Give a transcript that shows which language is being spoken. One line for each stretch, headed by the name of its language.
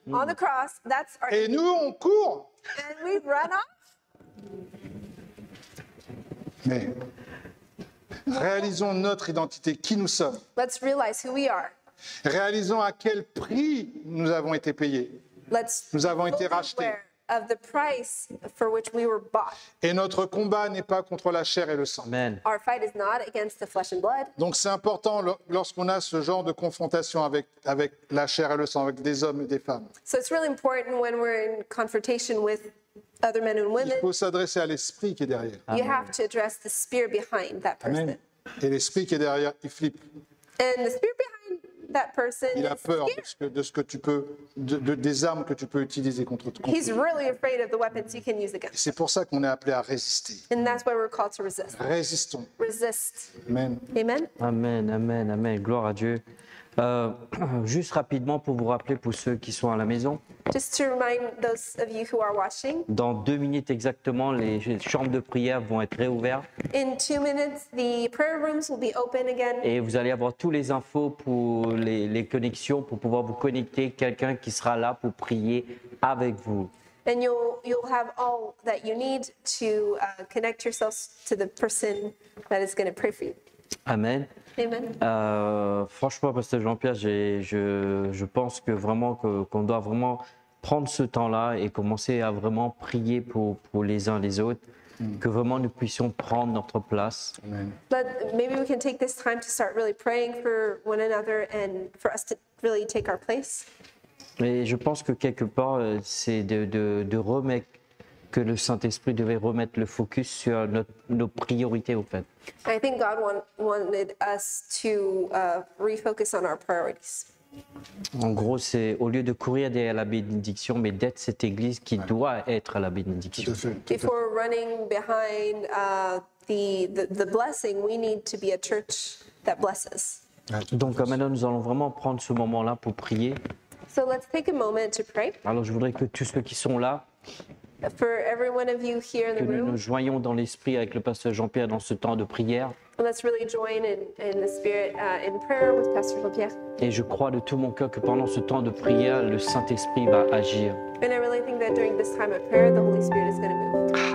English: Mm. On the cross, that's our
French: et nous, on court.
English: And we run off.
French: Mais réalisons notre identité, qui nous sommes.
English: Let's realize who we are.
French: Réalisons à quel prix nous avons été payés. Nous avons été rachetés.
English: Of the price for which we were bought. Et notre combat n'est pas contre la chair et le sang. Amen. Our fight is not against the flesh and blood.
French: Donc c'est important lorsqu'on a ce genre de confrontation avec la chair et le sang, avec des hommes et des femmes.
English: So it's really important when we're in confrontation with other men and women.
French: Il faut s'adresser à l'esprit qui est derrière.
English: Amen. You have to address the spirit behind that person.
French: Amen. Et l'esprit qui est derrière, il flippe.
English: And the spirit behind that person,
French: il a peur des armes que tu peux utiliser contre toi.
English: He's really afraid of the weapons you can use against.
French: Et c'est pour ça qu'on est appelé à résister.
English: And that's why we're called to resist.
French: Résistons.
English: Resist. Amen. Amen.
French: Amen. Amen. Amen. Gloire à Dieu. Juste rapidement pour vous rappeler pour ceux qui sont à la maison.
English: Just to remind those of you who are watching.
French: Dans 2 minutes exactement, les chambres de prière vont être réouvertes.
English: In 2 minutes, the prayer rooms will be open again.
French: Et vous allez avoir toutes les infos pour les connexions pour pouvoir vous connecter. Quelqu'un qui sera là pour prier avec vous.
English: And you'll have all that you need to connect yourselves to the person that is going to pray for you. Amen. Amen.
French: Franchement, Pasteur Jean-Pierre, je pense que vraiment qu'on doit vraiment prendre ce temps-là et commencer à vraiment prier pour les uns les autres, que vraiment nous puissions prendre notre place.
English: Amen. But maybe we can take this time to start really praying for one another and for us to really take our place.
French: Et je pense que quelque part, c'est de remettre. Que le Saint-Esprit devait remettre le focus sur nos priorités, en fait.
English: I think God wanted us to refocus on our priorities.
French: En gros, c'est au lieu de courir derrière la bénédiction, mais d'être cette église qui ouais. doit être la bénédiction.
English: Before running behind the blessing, we need to be a church that blesses.
French: Ouais, donc maintenant, nous allons vraiment prendre ce moment-là pour prier.
English: So let's take a moment to pray.
French: Alors, je voudrais que tous ceux qui sont là
English: for every one of you here in the
French: que
English: room.
French: Que nous joignons dans l'esprit avec le pasteur Jean-Pierre dans ce temps de prière.
English: Let's really join in the spirit in prayer with Pastor Jean-Pierre.
French: Et je crois de tout mon cœur que pendant ce temps de prière, le Saint-Esprit va agir.
English: And I really think that during this time of prayer, the Holy Spirit is going to move.